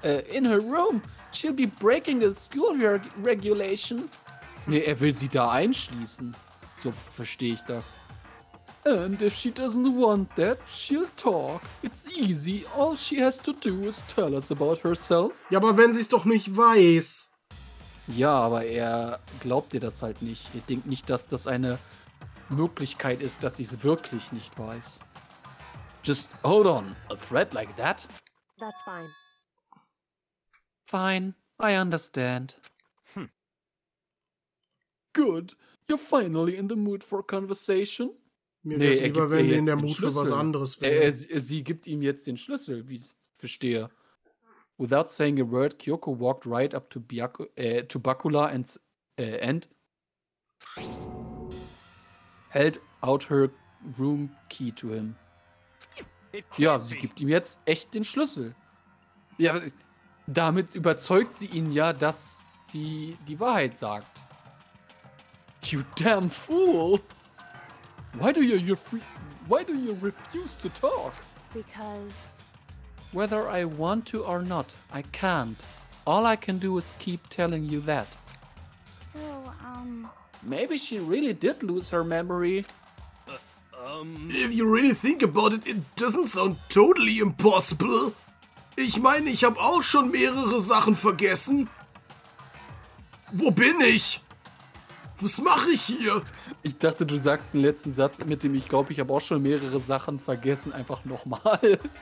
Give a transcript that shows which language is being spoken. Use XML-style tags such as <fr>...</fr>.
<en>In her room, she'll be breaking the school regulation.</en> <de>Nee, er will sie da einschließen. So verstehe ich das.</de> <en>And if she doesn't want that, she'll talk. It's easy. All she has to do is tell us about herself.</en> <de>Ja, aber wenn sie es doch nicht weiß. Ja, aber er glaubt ihr das halt nicht. Ihr denkt nicht, dass das eine Möglichkeit ist, dass sie es wirklich nicht weiß.</de> <en>Just hold on. A threat like that? That's fine. Fine. I understand. Hm. Good. You're finally in the mood for a conversation.</en> <de>Mir wäre es lieber, wenn die in der Mut für was anderes wäre. Sie gibt ihm jetzt den Schlüssel, wie ich verstehe.</de> <en>Without saying a word, Kyoko walked right up to Bakula and held out her room key to him.</en> <de>Ja, sie gibt ihm jetzt echt den Schlüssel. Ja, damit überzeugt sie ihn ja, dass sie die Wahrheit sagt.</de> <en>You damn fool! Why do you refuse to talk? Because whether I want to or not, I can't. All I can do is keep telling you that. So, maybe she really did lose her memory. If you really think about it, it doesn't sound totally impossible.</en> <de>Ich meine, ich habe auch schon mehrere Sachen vergessen. Wo bin ich? Was mache ich hier? Ich dachte, du sagst den letzten Satz mit dem ich glaube, ich habe auch schon mehrere Sachen vergessen, einfach nochmal.</de>